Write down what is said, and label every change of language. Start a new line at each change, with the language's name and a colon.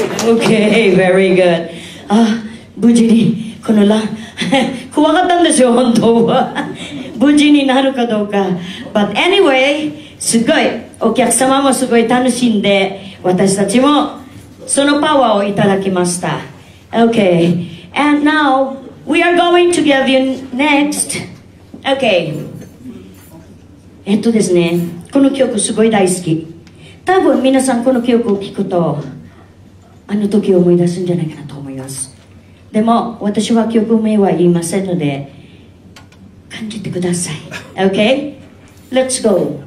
Japanese: オーケー、ベリーグッド。あ、無事に、このラン、怖かったんですよ、本当は。無事になるかどうか。
English: But anyway、
Japanese: すごい、お客様もすごい楽しんで、私たちもそのパワーをいただきました。
English: OK。 And now, we are going to give you next. OK。
Japanese: ですね、この曲すごい大好き。多分皆さんこの曲を聴くと、あの時を思い出すんじゃないかなと思います。でも、私は曲名は言いませんので、感じてください。
English: OK? Let's go!